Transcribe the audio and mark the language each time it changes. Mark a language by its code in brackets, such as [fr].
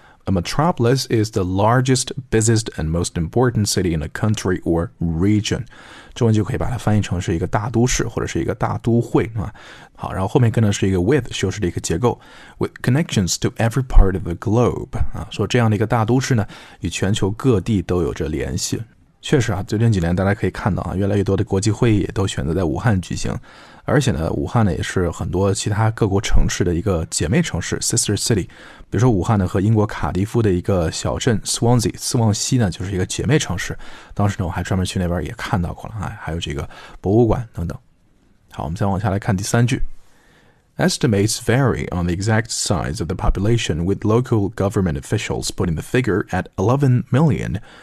[en] A metropolis is the largest, busiest, and most important city in a country or region. [zh] 中文就可以把它翻译成是一个大都市或者是一个大都会。好，然后后面跟的是一个 with 修饰的一个结构 [en] with connections to every part of the globe. [zh] 啊，说这样的一个大都市呢与全球各地都有着联系。确实啊，最近几年大家可以看到啊，越来越多的国际会议也都选择在武汉举行。而且呢武汉呢也是很多其他各国城市的一个姐妹城市 Sister City。比如说武汉呢和英国卡迪夫的一个小镇 Swansea, 斯旺西呢就是一个姐妹城市。当时呢我还专门去那边也看到过了、哎、还有这个博物馆等等。好，我们再往下来看第三句。 [en] Estimates vary on the exact size of the population with local government officials putting the figure at 11 million.